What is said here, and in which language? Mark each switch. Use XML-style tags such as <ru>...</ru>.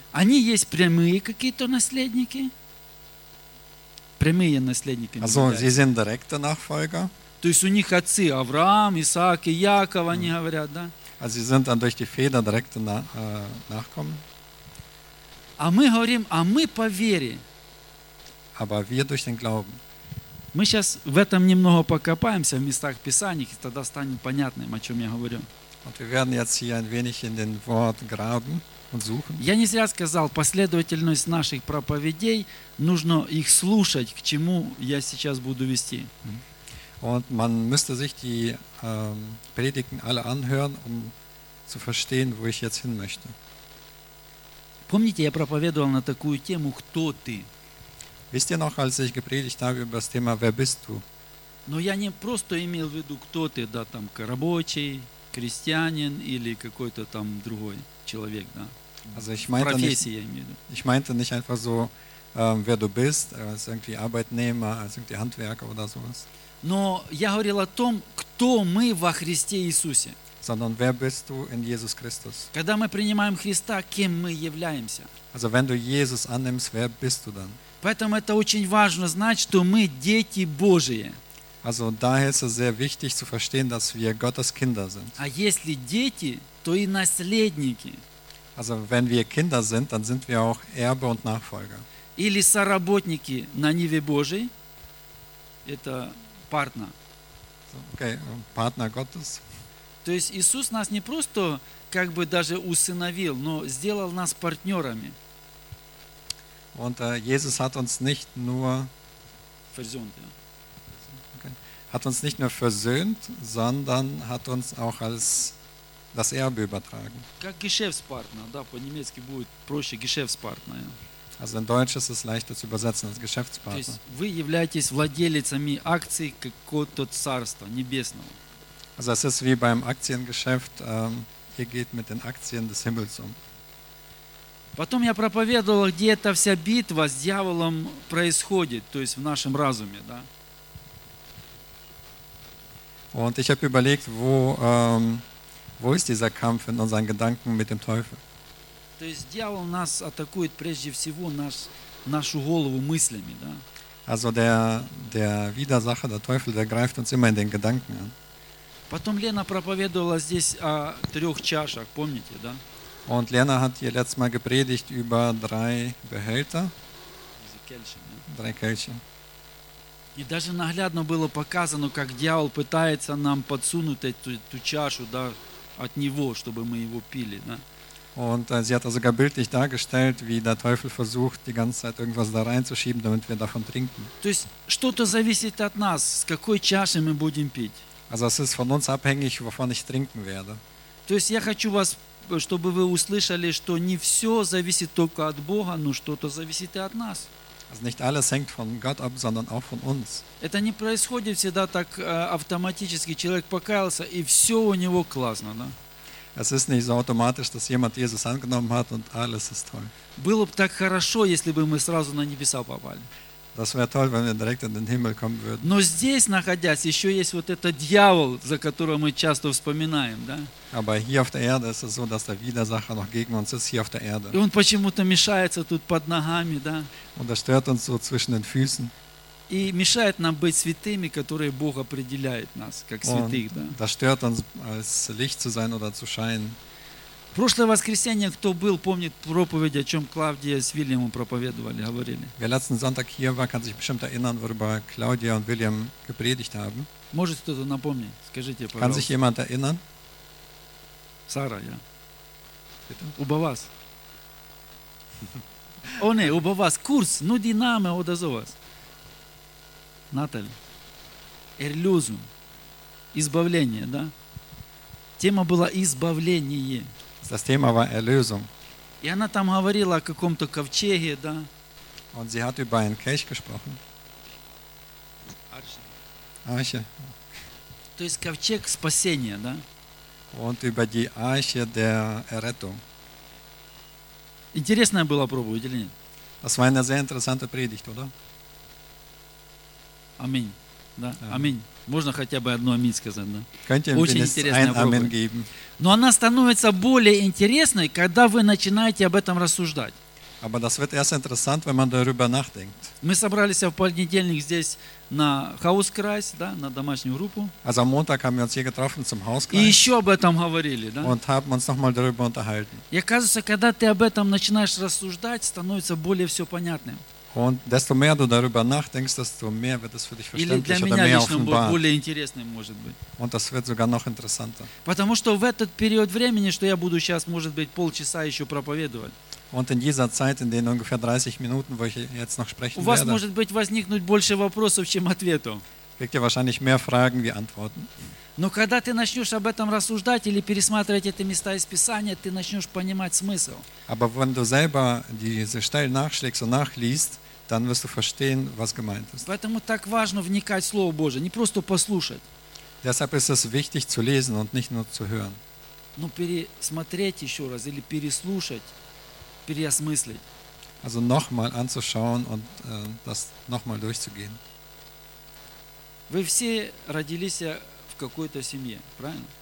<ru>Они есть прямые какие-то наследники? Прямые наследники.</ru> <de>Also, sie sind direkte Nachfolger.</de> <ru>То есть у них отцы Авраам, Исаак и Яков, они говорят, да?</ru> <de>Also sie sind dann durch die Väter direkt nachkommen.</de> <ru>А мы говорим, а мы по вере.</ru> <de>Aber wir durch den Glauben.</de> <ru>Мы сейчас в этом немного покопаемся в местах Писаний, и тогда станет понятным, о чем я говорю.</ru> <de>Und wir werden jetzt hier ein wenig in den Wort graben und suchen.</de> <ru>Я не зря сказал, последовательность наших проповедей, нужно их слушать, к чему я сейчас буду вести.</ru> <de>Und man müsste sich die Predigten alle anhören, um zu verstehen, wo ich jetzt hin möchte.</de> <ru>Помните, я проповедовал на такую тему, кто ты?</ru> <de>Wisst ihr noch, als ich gepredigt habe über das Thema, wer bist du?</de> <ru>Но я не просто имел в виду, кто ты, да, там, рабочий, крестьянин или какой-то там другой человек, да.</ru> <de>Also ich меinte</de> <ru>профессия,</ru> <de>nicht,</de> <ru>я имею в виду.</ru> <de>Ich meinte nicht einfach so, wer du bist, als irgendwie Arbeitnehmer, als irgendwie Handwerker oder sowas.</de> <ru>Но я говорил о том, кто мы во Христе Иисусе.</ru> <de>Sondern wer bist du in Jesus Christus?</de> <ru>Когда мы принимаем Христа, кем мы являемся?</ru> <de>Also wenn du Jesus annimmst, wer bist du dann?</de> <ru>Поэтому это очень важно знать, что мы дети Божии.</ru> <de>Also daher ist es sehr wichtig zu verstehen, dass wir Gottes Kinder sind.</de> <ru>А если дети, то и наследники.</ru> <de>Also wenn wir Kinder sind, dann sind wir auch Erbe und Nachfolger.</de> <ru>Или соработники на ниве Божией. Это партнер.</ru> <de>Okay, Partner Gottes.</de> <ru>То есть Иисус нас не просто как бы даже усыновил, но сделал нас партнерами.</ru> <de>Und Jesus hat uns nicht nur versöhnt, ja. Hat uns nicht nur versöhnt, sondern hat uns auch als das Erbe übertragen.</de> <ru>Как Geschäftspartner, да, по-немецки будет проще Geschäftspartner.</ru> <de>Also in Deutsch ist es leichter zu übersetzen als Geschäftspartner.</de> <ru>То есть вы являетесь владельцами акций какого-то царства небесного.</ru> <de>Also es ist wie beim Aktiengeschäft, ihr geht mit den Aktien des Himmels um.</de> <ru>Потом я проповедовал, где эта вся битва с дьяволом происходит, то есть в нашем разуме, да?</ru> <de>Und ich habe überlegt, wo ist dieser Kampf in unseren Gedanken mit dem Teufel?</de> <ru>То есть дьявол нас атакует прежде всего нашу голову мыслями, да?</ru> <de>Also der Widersacher, der Teufel, der greift uns immer in den Gedanken an.</de> <ru>Потом Лена проповедовала здесь о трех чашах, помните, да?</ru> <de>Und Lena hat ihr letztes Mal gepredigt über drei Behälter. Drei Kelche.</de> <ru>И даже наглядно было показано, как дьявол пытается нам подсунуть эту чашу, да, от него, чтобы мы его пили, да?</ru> <de>Und sie hat sogar bildlich dargestellt, wie der Teufel versucht, die ganze Zeit irgendwas da reinzuschieben, damit wir davon trinken.</de> <ru>То есть что-то зависит от нас, с какой чашей мы будем пить.</ru> <de>Also es ist von uns abhängig, wovon ich trinken werde.</de> <ru>То есть я хочу вас, чтобы вы услышали, что не все зависит только от Бога, но что-то зависит и от нас.</ru> <de>Also nicht alles hängt von Gott ab, sondern auch von uns.</de> <ru>Это не происходит всегда так автоматически. Человек покаялся, и все у него классно, да?</ru> <de>Es ist nicht so automatisch, dass jemand Jesus angenommen hat und alles ist toll.</de> <ru>Было бы так хорошо, если бы мы сразу на небеса попали.</ru> <de>Das wäre toll, wenn wir direkt in den Himmel kommen würden.</de> <ru>Но здесь, находясь, еще есть вот этот дьявол, за которого мы часто вспоминаем, да?</ru> <de>Aber hier auf der Erde ist es so, dass der Widersacher noch gegen uns ist, hier auf der Erde.</de> <ru>И он почему-то мешается тут под ногами, да?</ru> <de>Und er stört uns so zwischen den Füßen.</de> <ru>И мешает нам быть святыми, которые Бог определяет нас, как святых, да?</ru> <de>Das stört uns, als Licht zu sein oder zu scheinen.</de> <ru>Прошлое воскресенье, кто был, помнит проповедь, о чем Клавдия с Вильямом проповедовали, говорили.</ru> <de>Wer letzten Sonntag hier war, kann sich bestimmt erinnern, worüber Claudia und William gepredigt haben.</de> <ru>Может кто-то напомнит? Скажите, пожалуйста.</ru> <de>Kann sich jemand erinnern? Сара, я. Уба вас. О, не, уба вас. Курс, ну динамо, о, да за вас.</de> <ru>Наталь. Эрлюзум. Избавление, да? Тема была избавление.</ru> <de>Das Thema war Erlösung.</de> <ru>И она там говорила о каком-то ковчеге, да?</ru> <de>Und sie hat über einen Kelch gesprochen. Arche.</de> <ru>То есть ковчег спасения, да?</ru> <de>Und über die Arche der Errettung.</de> <ru>Интересная была проповедь или нет?</ru> <de>Das war eine sehr interessante Predigt, oder?</de> <ru>Аминь. Да, аминь. Можно хотя бы одно аминь сказать, да?</ru> <de>Könnte</de> <ru>очень интересная проповедь. Но она становится более интересной, когда вы начинаете об этом рассуждать.</ru> <de>Aber das wird erst interessant, wenn man darüber nachdenkt.</de> <ru>Мы собрались в понедельник здесь на Hauskreis, да, на домашнюю группу.</ru> <de>Also am Montag haben wir uns hier getroffen zum Hauskreis.</de> <ru>И еще об этом говорили, да?</ru> <de>Und haben uns nochmal darüber unterhalten.</de> <ru>И оказывается, когда ты об этом начинаешь рассуждать, становится более все понятным.</ru> <de>Und desto mehr du darüber nachdenkst, desto mehr wird es für dich verständlich oder mehr offenbar. Und das wird sogar noch interessanter.</de> <ru>Потому что в этот период времени, что я буду сейчас, может быть, полчаса еще проповедовать.</ru> <de>Und in dieser Zeit, in den ungefähr 30 Minuten, wo ich jetzt noch sprechen werde.</de> <ru>У вас может быть возникнуть больше вопросов, чем ответов.</ru> <de>Kriegt ihr wahrscheinlich mehr Fragen wie Antworten.</de> <ru>Но когда ты начнешь об этом рассуждать или пересматривать эти места из Писания, ты начнешь понимать смысл.</ru> <de>Aber wenn du selber diese Stelle nachschlägst und nachliest, dann wirst du verstehen, was gemeint ist.</de> <ru>Поэтому так важно вникать в Слово Божие, не просто послушать.</ru> <de>Deshalb ist es wichtig zu lesen und nicht nur zu hören.</de> <ru>Но пересмотреть еще раз или переслушать, переосмыслить.</ru> <de>Also nochmal anzuschauen und das nochmal durchzugehen.</de> <ru>Вы все родились в какой-то семье, правильно?</ru>